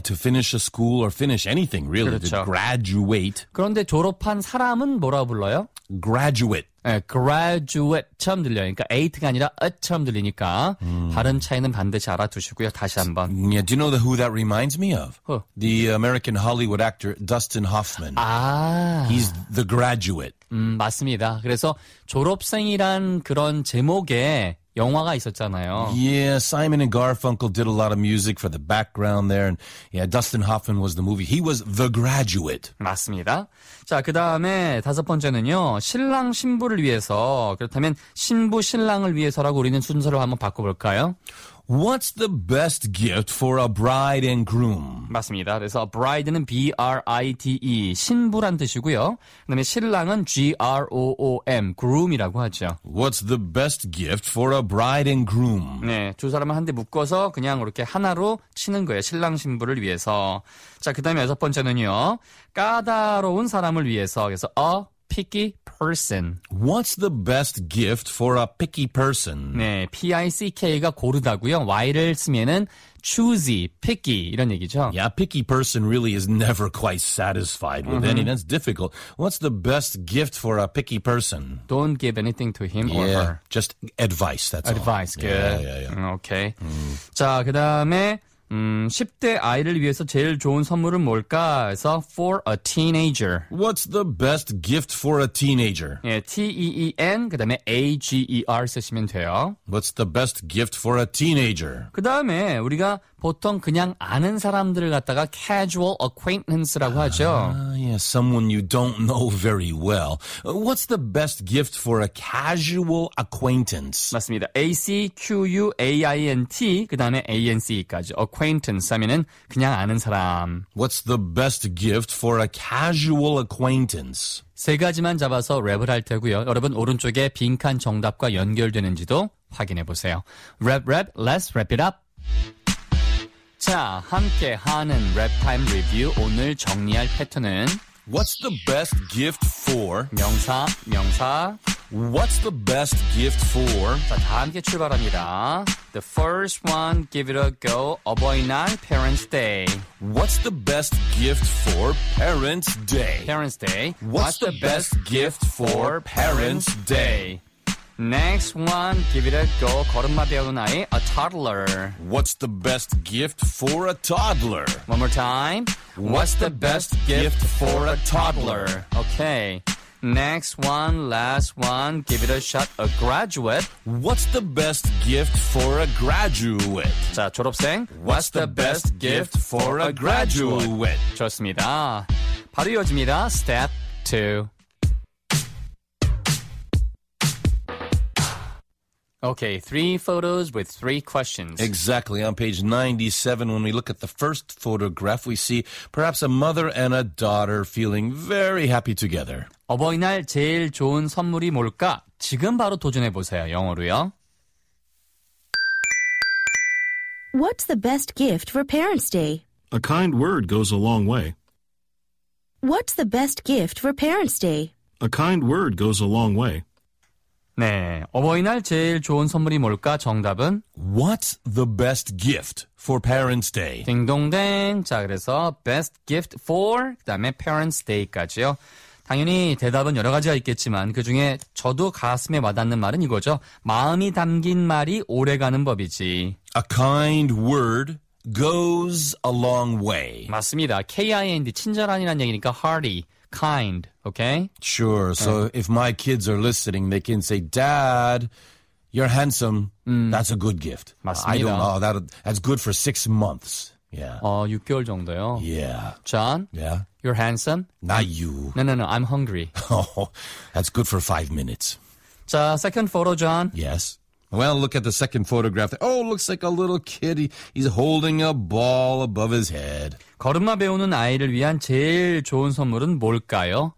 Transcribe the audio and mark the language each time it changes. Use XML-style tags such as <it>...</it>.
<en>To finish a school or finish anything, really.</en> <ko>그렇죠.</ko> <en>To graduate.</en> <ko>그런데 졸업한 사람은 뭐라고 불러요?</ko> <en>Graduate.</en> <ko>네, graduate처럼 들려요. 그러니까 8가 아니라 a처럼 들리니까 발음 차이는 반드시 알아두시고요. 다시 한번.</ko> <en>Yeah, do you know who that reminds me of? Who? The American Hollywood actor Dustin Hoffman.</en> <ko>아.</ko> <en>He's the graduate.</en> <ko>맞습니다. 그래서 졸업생이란 그런 제목의 영화가 있었잖아요.</ko> <en>Yeah, Simon and Garfunkel did a lot of music for the background there. And yeah, Dustin Hoffman was the movie. He was the graduate.</en> <ko>맞습니다. 자, 그 다음에 다섯 번째는요. 신랑, 신부를 위해서. 그렇다면 신부, 신랑을 위해서라고 우리는 순서를 한번 바꿔볼까요?</ko> <en>What's the best gift for a bride and groom?</en> <ko>맞습니다. 그래서 bride는 B-R-I-D-E, 신부란 뜻이고요. 그 다음에 신랑은 G-R-O-O-M, groom이라고 하죠.</ko> <en>What's the best gift for a bride and groom?</en> <ko>네, 두 사람을 한 대 묶어서 그냥 이렇게 하나로 치는 거예요. 신랑, 신부를 위해서. 자, 그 다음에 여섯 번째는요. 까다로운 사람을 위해서.</ko> <en>그래서 a picky person. What's the best gift for a picky person?</en> <ko>네, P-I-C-K가 고르다고요. Y를 쓰면은 choosy, picky 이런 얘기죠.</ko> <en>Yeah, picky person really is never quite satisfied with anything. That's difficult. What's the best gift for a picky person? Don't give anything to him yeah, or her. Just advice. That's advice. All. Good. Yeah. Okay.</en> <ko>자, 그다음에 10대 아이를 위해서 제일 좋은 선물은 뭘까?</ko> <en>해서 for a teenager. What's the best gift for a teenager?</en> <ko>예, T-E-E-N, 그 다음에 A-G-E-R 쓰시면 돼요.</ko> <en>What's the best gift for a teenager?</en> <ko>그 다음에 우리가 보통 그냥 아는 사람들을 갖다가 casual acquaintance라고 하죠.</ko> <en>Yeah, someone you don't know very well. What's the best gift for a casual acquaintance?</en> <ko>맞습니다. A-C-Q-U-A-I-N-T, 그 다음에 A-N-C까지. Acquaintance 하면은 그냥 아는 사람.</ko> <en>What's the best gift for a casual acquaintance?</en> <ko>세 가지만 잡아서 랩을 할 테고요. 여러분 오른쪽에 빈칸 정답과 연결되는지도 확인해 보세요.</ko> <en>Rap, rap, let's wrap it up.</en> <ko>자, 함께하는 랩타임 리뷰 오늘 정리할 패턴은</ko> <en>What's the best gift for?</en> <ko>명사, 명사</ko> <en>What's the best gift for?</en> <ko>자, 다 함께 출발합니다.</ko> <en>The first one, give it a go. 어버이날, Parents' Day. What's the best gift for Parents' Day? Parents' Day. What's the best gift for Parents' Day? Next one, give it a go.</en> <ko>걸음마 배우는 아이,</ko> <en>a toddler. What's the best gift for a toddler? One more time. What's the best gift for a toddler? Okay. Next one, last one, give it a shot, a graduate. What's the best gift for a graduate?</en> <ko>자, 졸업생.</ko> <en>What's the best gift for a graduate?</en> <ko>좋습니다. 바로 이어집니다. Step 2.</ko> <en>Okay, three photos with three questions. Exactly. On page 97, when we look at the first photograph, we see perhaps a mother and a daughter feeling very happy together.</en> <ko>어버이날 제일 좋은 선물이 뭘까? 지금 바로 도전해 보세요, 영어로요.</ko> <en>What's the best gift for Parents' Day? A kind word goes a long way. What's the best gift for Parents' Day? A kind word goes a long way.</en> <ko>네, 어버이날 제일 좋은 선물이 뭘까? 정답은</ko> <en>What's the best gift for Parents' Day?</en> <ko>딩동댕. 자, 그래서 best gift for 그다음에 Parents' Day까지요. 당연히 대답은 여러 가지가 있겠지만 그중에 저도 가슴에 와닿는 말은 이거죠. 마음이 담긴 말이 오래가는 법이지.</ko> <en>A kind word goes a long way.</en> <ko>맞습니다. K-I-N-D, 친절한이라는 얘기니까 hearty.</ko> <en>Kind, okay? Sure. So if my kids are listening, they can say, Dad, you're handsome. That's a good gift.</en> <ko>맞습니다.</ko> <en>I don't know. That's good for 6 months. Yeah.</en> <ko>6개월 정도요.</ko> <en>Yeah. John? Yeah? You're handsome? Not you. No. I'm hungry. Oh, that's good for 5 minutes. 자, second photo, John. Yes. Well, look at the second photograph. Oh, looks like a little kid. He's holding a ball above his head.</en> <ko>걸음마 배우는 아이를 위한 제일 좋은 선물은 뭘까요?</ko>